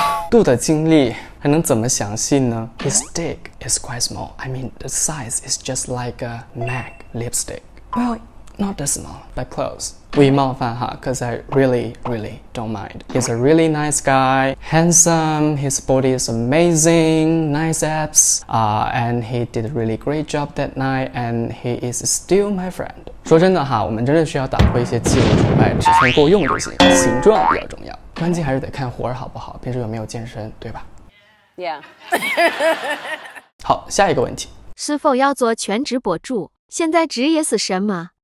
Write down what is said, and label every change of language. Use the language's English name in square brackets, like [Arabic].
[Chinese] 度的经历还能怎么详细呢？ [English] His dick is quite small. I mean, the size is just like a MAC lipstick. Well, not that small, but close. [Chinese] 无意冒犯哈， [English] cause I really, really don't mind. He's a really nice guy, handsome, his body is amazing, nice abs, and he did a really great job that night, and he is still my friend. [Chinese] 说真的哈，我们真的需要打破一些既有崇拜，尺寸够用就行，形状比较重要，关键还是得看活儿好不好，平时有没有健身，对吧？ [English] Yeah. [Chinese] 好，下一个问题，是否要做全职博主？现在职业是什么？